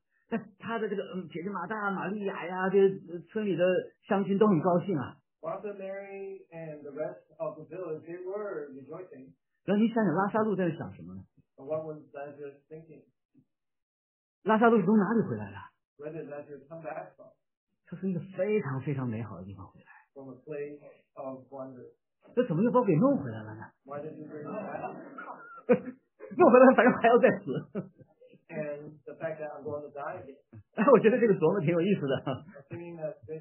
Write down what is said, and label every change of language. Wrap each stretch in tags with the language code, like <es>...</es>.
<zh>但他的这个姐姐马大、玛利亚呀，这村里的乡亲都很高兴啊。</zh> <en>Martha, Mary, and the rest of the village, they were rejoicing.</en> <zh>那你想想拉撒路在想什么呢？</zh> <en>What was Lazarus thinking?</en> <zh>拉撒路是从哪里回来的？</zh> <en>Where did Lazarus come back from?</en> <zh>他从一个非常非常美好的地方回来。</zh> <en>From a place of wonder.</en> <zh>那怎么又把我给弄回来了呢？</zh> <en>Why did you bring me back?</en> <zh>弄回来反正还要再死。</zh> <en>And the fact that I'm going to die again.</en> <zh>我觉得这个琢磨挺有意思的。</zh>